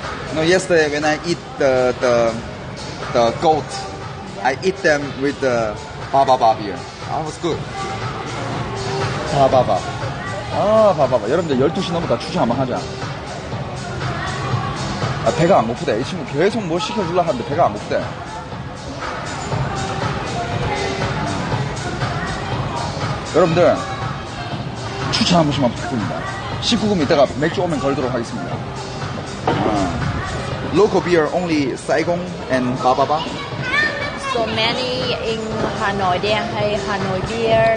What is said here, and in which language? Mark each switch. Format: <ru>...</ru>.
<en>You know, yesterday when I eat the goat, yeah. I eat them with the Ba Ba Ba beer. That was good. Ba Ba Ba. Ah, Ba Ba Ba.</en> <ko>여러분들 12시 넘어가 추주 한번 하자. 아, 배가 안 고프대. 이 친구 계속 뭐 시켜주려고 하는데 배가 안 고프대. 여러분들 추주 한 번씩만 부탁드립니다. 19금 이따가 맥주 오면 걸도록 하겠습니다.</ko> <en>Local beer only Saigon and Ba Ba Ba. So many in Hanoi, they have Hanoi beer.</en>